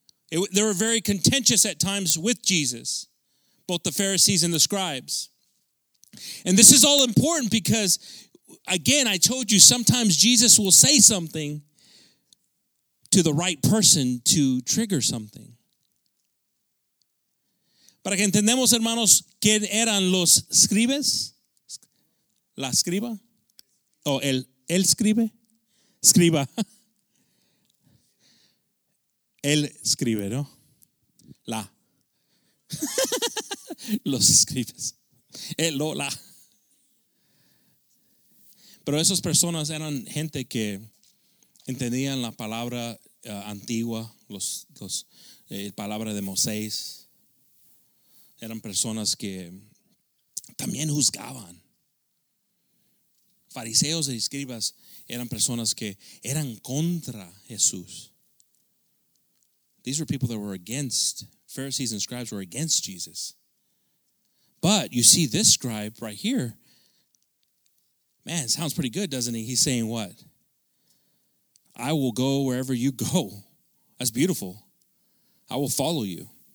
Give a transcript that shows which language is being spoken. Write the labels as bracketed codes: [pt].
[en] They were very contentious at times with Jesus, both the Pharisees and the scribes. And this is all important because, again, I told you, sometimes Jesus will say something to the right person to trigger something. [es] Para que entendamos, hermanos, ¿quién eran los escribes? ¿La escriba? ¿O el escribe? Escriba. Él escribe, ¿no? La. Los escribes. Él, lo, la. Pero esas personas eran gente que entendían la palabra antigua, la palabra de Moisés. Eran personas que también juzgaban. Fariseos y escribas eran personas que eran contra Jesús. [en] These were people that were against, Pharisees and scribes were against Jesus. But you see this scribe right here, man, sounds pretty good, doesn't he? He's saying what? I will go wherever you go. That's beautiful. I will follow you.